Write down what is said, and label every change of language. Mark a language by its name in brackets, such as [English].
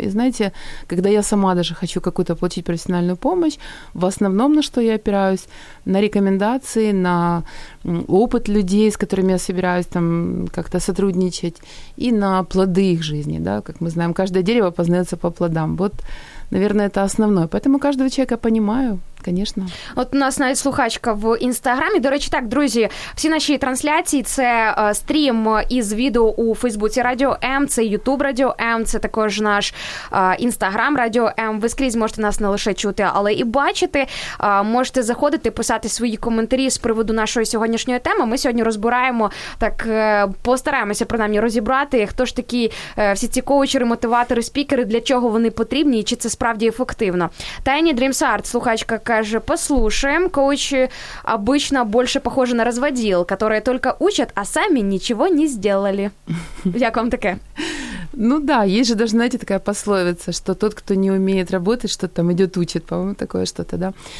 [Russian] И знаете, когда я сама даже хочу какую-то получить профессиональную помощь, в основном на что я опираюсь? На рекомендации, на опыт людей, с которыми я собираюсь там как-то сотрудничать, и на плоды их жизни, да, как мы знаем, каждое дерево познается по плодам. Вот, наверное, это основное. Поэтому каждого человека понимаю. Конечно. [Ukrainian] От у нас навіть слухачка в Інстаграмі. До речі, так, друзі, всі наші трансляції – це стрім із відео у Фейсбуці Радіо М, це Ютуб Радіо М, це також наш Інстаграм Радіо М. Ви скрізь можете нас не лише чути, але і бачити. Можете заходити, писати свої коментарі з приводу нашої сьогоднішньої теми. Ми сьогодні розбираємо, так постараємося, принаймні, розібрати, хто ж такі всі ці коучери, мотиватори, спікери, для чого вони потрібні і чи це справді ефективно. [Russian] Тайні Дрімс Арт, [Ukrainian] слухачка, каже, [Russian] послушаем, коучи обычно больше похожи на разводил, которые только учат, а сами ничего не сделали. [Ukrainian] Як вам таке? [Russian] Ну да, есть же даже, знаете, такая пословица, что тот, кто не умеет работать, что-то там идет учит, по-моему, такое что-то, да.